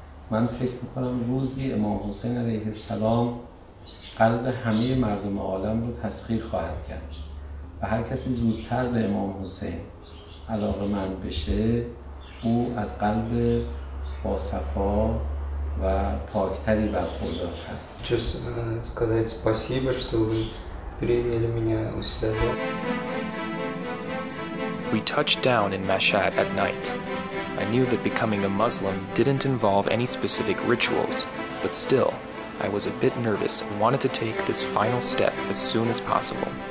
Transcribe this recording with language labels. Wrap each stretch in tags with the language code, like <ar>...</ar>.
<tg>Мен фикр мекунам рузи имам Хусейн алейхи салам</tg> <fa>قلب همه مردم عالم رو تسخیر خواهد کرد و هر کسی زودتر به امام حسین علاقه مند بشه او از قلب با صفا و پاکتری برخوردار هست.</fa> <ru>Сказать спасибо, что вы приняли меня у себя.</ru> <en>We touched down in Mashhad at night. I knew that becoming a Muslim didn't involve any specific rituals, but still, I was a bit nervous and wanted to take this final step as soon as possible.</en>